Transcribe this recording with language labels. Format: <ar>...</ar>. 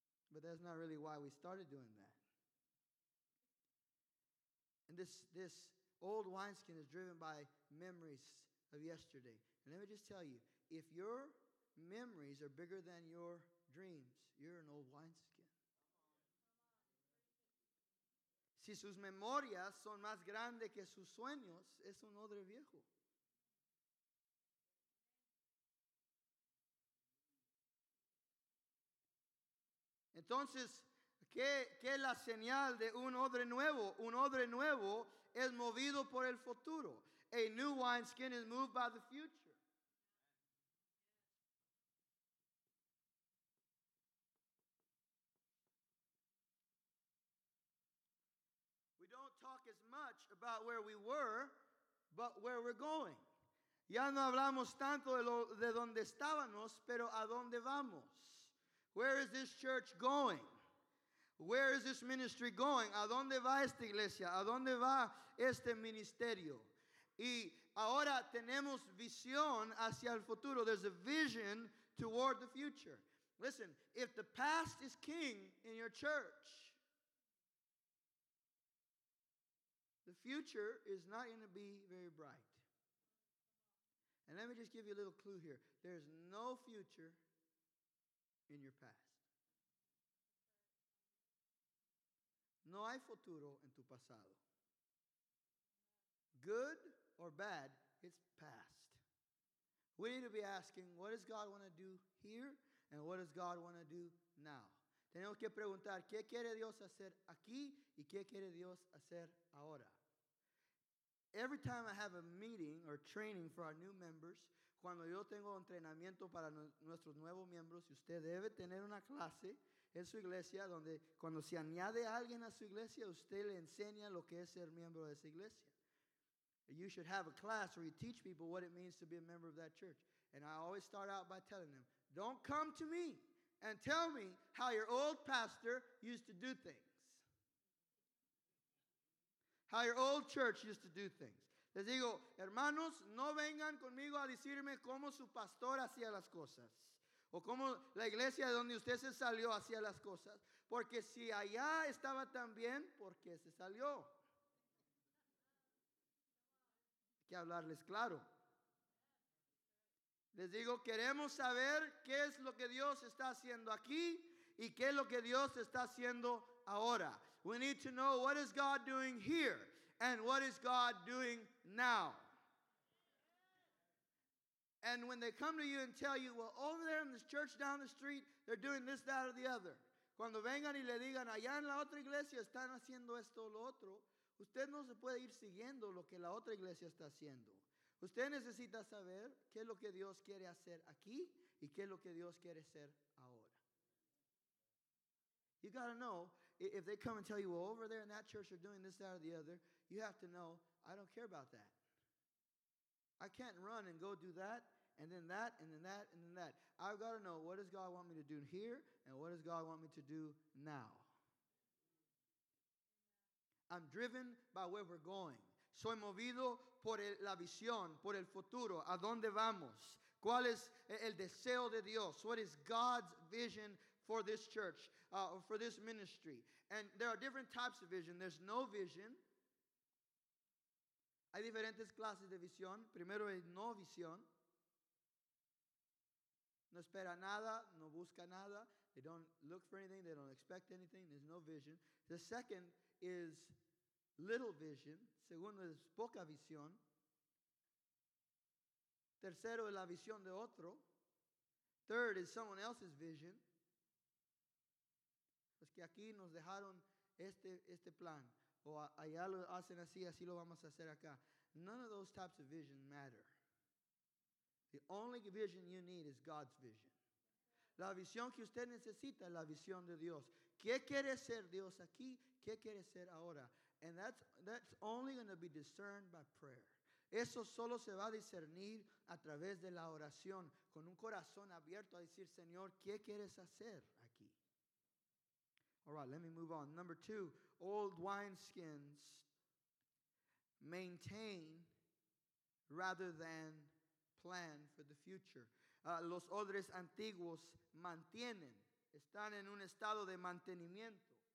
<en>But that's not really why we started doing that. And this old wineskin is driven by memories of yesterday. And let me just tell you, if your memories are bigger than your dreams, you're an old wineskin.</en> <es>Si sus memorias son más grandes que sus sueños, es un odre viejo. Entonces, ¿qué es la señal de un odre nuevo? Un odre nuevo es movido por el futuro.</es> <en>A new wineskin is moved by the future. Don't talk as much about where we were, but where we're going.</en> <es>Ya no hablamos tanto de donde estábamos, pero a dónde vamos.</es> <en>Where is this church going? Where is this ministry going?</en> <es>A dónde va esta iglesia? A dónde va este ministerio? Y ahora tenemos visión hacia el futuro.</es> <en>There's a vision toward the future. Listen, if the past is king in your church, the future is not going to be very bright. And let me just give you a little clue here. There's no future in your past.</en> <es>No hay futuro en tu pasado.</es> <en>Good or bad, it's past. We need to be asking, what does God want to do here? And what does God want to do now?</en> <es>Tenemos que preguntar, ¿qué quiere Dios hacer aquí? ¿Y qué quiere Dios hacer ahora?</es> <en>Every time I have a meeting or training for our new members,</en> <es>cuando yo tengo entrenamiento para nuestros nuevos miembros, y usted debe tener una clase en su iglesia donde cuando se añade alguien a su iglesia, usted le enseña lo que es ser miembro de esa iglesia.</es> <en>You should have a class where you teach people what it means to be a member of that church. And I always start out by telling them, don't come to me and tell me how your old pastor used to do things. How your old church used to do things.</en> <es>Les digo, hermanos, no vengan conmigo a decirme cómo su pastor hacía las cosas. O cómo la iglesia de donde usted se salió hacía las cosas. Porque si allá estaba tan bien, ¿por qué se salió? Hay que hablarles claro. Les digo, queremos saber qué es lo que Dios está haciendo aquí y qué es lo que Dios está haciendo ahora.</es> <en>We need to know what is God doing here and what is God doing now. And when they come to you and tell you, well, over there in this church down the street, they're doing this, that, or the other.</en> <es>Cuando vengan y le digan, allá en la otra iglesia están haciendo esto o lo otro, usted no se puede ir siguiendo lo que la otra iglesia está haciendo. Usted necesita saber qué es lo que Dios quiere hacer aquí y qué es lo que Dios quiere hacer ahora.</es> <en>You got to know, if they come and tell you, well, over there in that church they're doing this, that, or the other, you have to know, I don't care about that. I can't run and go do that, and then that, and then that, and then that. I've got to know, what does God want me to do here, and what does God want me to do now? I'm driven by where we're going.</en> <es>Soy movido por la visión, por el futuro. ¿A dónde vamos? ¿Cuál es el deseo de Dios?</es> <en>What is God's vision for this church, for this ministry? And there are different types of vision. There's no vision.</en> <es>Hay diferentes clases de visión. Primero es no visión. No espera nada, no busca nada.</es> <en>They don't look for anything, they don't expect anything. There's no vision. The second is little vision.</en> <es>Segundo es poca visión. Tercero es la visión de otro.</es> <en>Third is someone else's vision.</en> <es>Pues que aquí nos dejaron este plan. O allá lo hacen así, así lo vamos a hacer acá.</es> <en>None of those types of vision matter. The only vision you need is God's vision.</en> <es>La visión que usted necesita es la visión de Dios. ¿Qué quiere ser Dios aquí? ¿Qué quiere ser ahora?</es> <en>And that's only going to be discerned by prayer.</en> <es>Eso solo se va a discernir a través de la oración, con un corazón abierto a decir, Señor, ¿qué quieres hacer aquí?</es> <en>All right, let me move on. Number two, old wineskins maintain rather than plan for the future.</en> <es>Los odres antiguos mantienen, están en un estado de mantenimiento.</es>